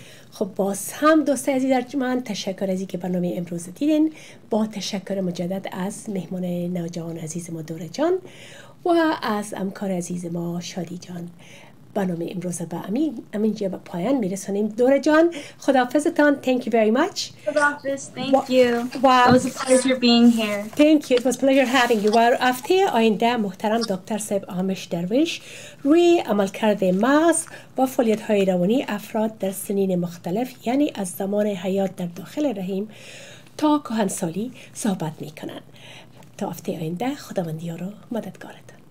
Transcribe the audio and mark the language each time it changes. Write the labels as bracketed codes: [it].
[fa] خب باز هم دوست عزیز ارجمند تشکر از اینکه برنامه امروز دیدین، با تشکر مجدد از مهمان نوجوان عزیز ما دوره جان و از همکار عزیز ما شادی جان برنامه امروز با امین جا به پایان میرسونیم. دوره جان خداحافظتان. [en] Thank you very much. Thank you. It was a pleasure being here. Thank you. It was a pleasure having you. [fa] و هفته آینده محترم دکتر صاحب آمش درویش روی عملکرد مغز و فعالیت های روانی افراد در سنین مختلف، یعنی از زمان حیات در داخل رحم تا کهنسالی صحبت میکنن. تا هفته آینده خداوندیارو مددگارت.